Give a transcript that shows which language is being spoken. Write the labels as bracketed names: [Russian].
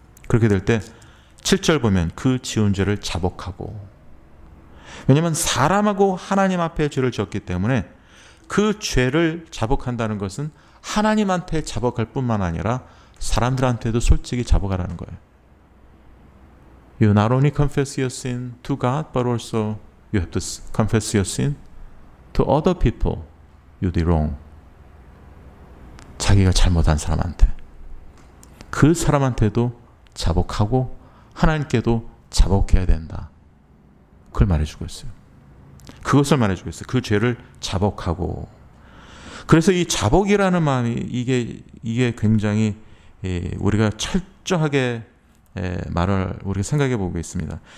[Korean] 그렇게 될 때 7절 보면 그 지은 죄를 자복하고, 왜냐하면 사람하고 하나님 앞에 죄를 지었기 때문에 그 죄를 자복한다는 것은 하나님한테 자복할 뿐만 아니라 사람들한테도 솔직히 자복하라는 거예요. [English] You not only confess your sin to God, but also you have to confess your sin to other people you did wrong. [Korean] 자기가 잘못한 사람한테, 그 사람한테도 자복하고 하나님께도 자복해야 된다. 그걸 말해주고 있어요. 그것을 말해주고 있어요. 그 죄를 자복하고. 그래서 이 자복이라는 마음이 이게 굉장히 우리가 철저하게 말을 우리가 생각해 보고 있습니다.